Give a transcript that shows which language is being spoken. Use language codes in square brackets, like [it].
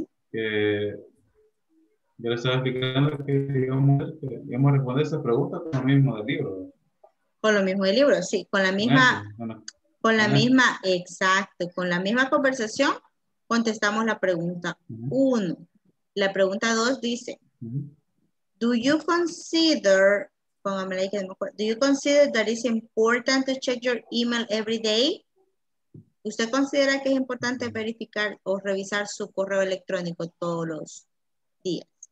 [es] Que yo le estaba explicando que íbamos a responder esa pregunta con lo mismo del libro. Con lo mismo del libro, sí. Con la misma... Con la misma, exacto, con la misma conversación, contestamos la pregunta uno. La pregunta dos dice, [en] Do you consider that it's important to check your email every day? [es] ¿Usted considera que es importante verificar o revisar su correo electrónico todos los días?